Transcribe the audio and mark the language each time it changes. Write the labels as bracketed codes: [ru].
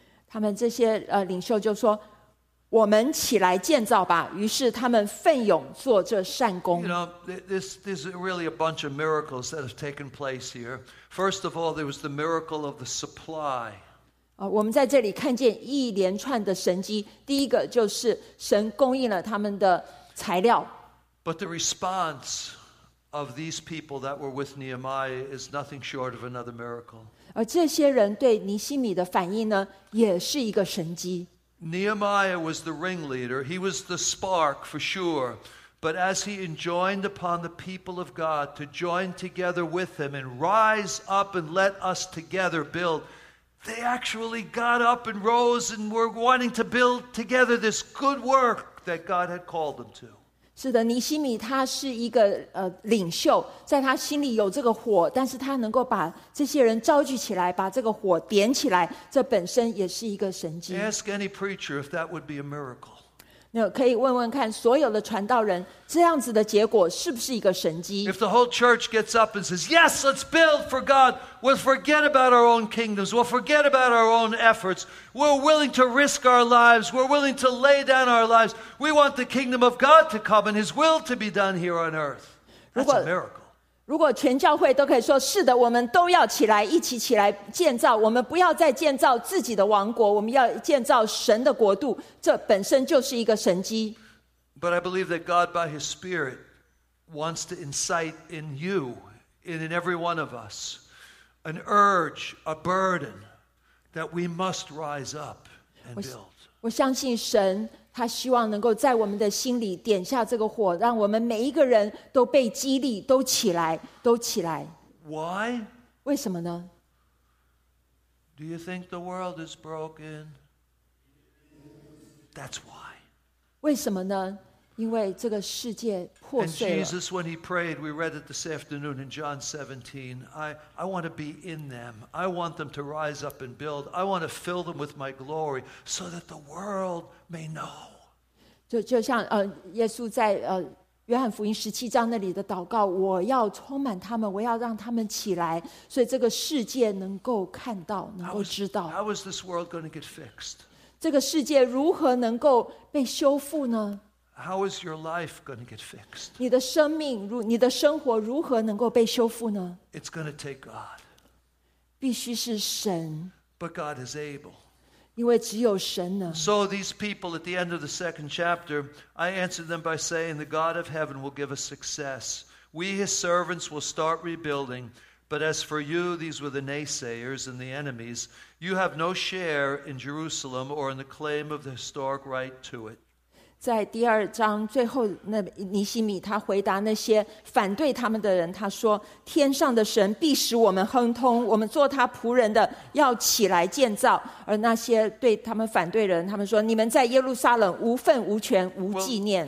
[zh] 他们这些领袖就说，我们起来建造吧。于是他们奋勇做这善工。 [en] You know, this is really a bunch of miracles that have taken place here. First of all, there was the miracle of the supply. [zh] 我们在这里看见一连串的神迹。第一个就是神供应了他们的材料。 [en] But the response of these people that were with Nehemiah is nothing short of another miracle. [zh] 而这些人对尼希米的反应呢，也是一个神迹。 [en] Nehemiah was the ringleader. He was the spark for sure. But as he enjoined upon the people of God to join together with him and rise up and let us together build, they actually got up and rose and were wanting to build together this good work that God had called them to. [zh] 是的，尼希米他是一个领袖，在他心里有这个火，但是他能够把这些人召集起来，把这个火点起来，这本身也是一个神迹。 [en] Ask any preacher if that would be a miracle. [zh] 那可以问问看所有的传道人，这样子的结果是不是一个神迹？ [en] If the whole church gets up and says, "Yes, let's build for God," we'll forget about our own kingdoms, we'll forget about our own efforts, we're willing to risk our lives, we're willing to lay down our lives, we want the kingdom of God to come and his will to be done here on earth. That's a miracle. [zh] 如果全教会都可以说是的，我们都要起来，一起起来建造，我们不要再建造自己的王国，我们要建造神的国度，这本身就是一个神迹。 [en] But I believe that God by his spirit wants to incite in you and in every one of us an urge, a burden that we must rise up and build. [zh] 我相信神他希望能够在我们的心里点下这个火，让我们每一个人都被激励，都起来，都起来。 [en] Why? [zh] 为什么呢？ [en] Do you think the world is broken? That's why. [zh] 为什么呢？因为这个世界破碎了。 [en] And Jesus, when he prayed, we read it this afternoon in John 17, I want to be in them. I want them to rise up and build. I want to fill them with my glory so that the world may know. [zh] 就像耶稣在约翰福音十七章那里的祷告，我要充满他们，我要让他们起来，所以这个世界能够看到，能够知道。 [en] How is this world going to get fixed? [zh] 这个世界如何能够被修复呢？ [en] How is your life going to get fixed? [zh] 你的生命，你的生活如何能够被修复呢？ [en] It's going to take God. [zh] 必须是神。 [en] But God is able. [zh] 因为只有神能。 [en] So these people at the end of the second chapter, I answered them by saying, the God of heaven will give us success. We, his servants, will start rebuilding. But as for you, these were the naysayers and the enemies. You have no share in Jerusalem or in the claim of the historic right to it. [zh] 在第二章最后，那尼希米他回答那些反对他们的人，他说：“天上的神必使我们亨通，我们做他仆人的要起来建造。” 而那些对他们反对人，他们说：“你们在耶路撒冷无份无权无纪念。”